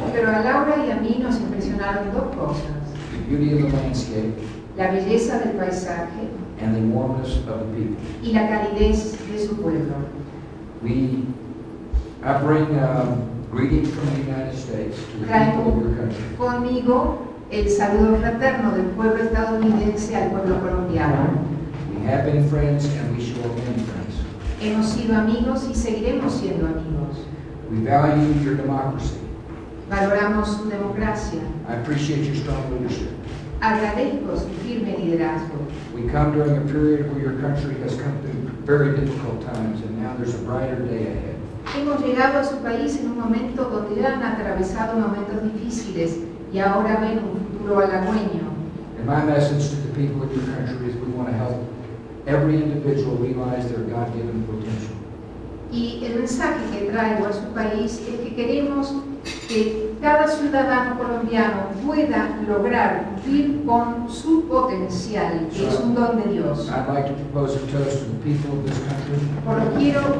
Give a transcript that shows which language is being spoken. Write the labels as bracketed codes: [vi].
[es] Pero a Laura y a mí nos impresionaron dos cosas. [en] The beauty of the landscape. [es] La belleza del paisaje. [en] And the warmness of the people. [es] Y la calidez de su pueblo. [en] I bring greetings from the United States to the [es] traigo [en] people of your country. [es] Conmigo el saludo fraterno del pueblo estadounidense al pueblo colombiano. [en] We have been friends and we shall remain friends. [es] Hemos sido amigos y seguiremos siendo amigos. [en] We value your democracy. [es] Valoramos su democracia. [en] I appreciate your strong leadership. [es] Agradezco su firme liderazgo. [en] We come during a period where your country has come through very difficult times, and now there's a brighter day ahead. [es] Hemos llegado a su país en un momento donde han atravesado momentos difíciles y ahora ven un futuro halagüeño. [en] And my message to the people of your country is we want to help every individual realize their God-given potential. [es] Y el mensaje que traigo a su país es que queremos que cada ciudadano colombiano pueda lograr vivir con su potencial, que es un don de Dios. [en] I'd like to propose a toast to the people of this country.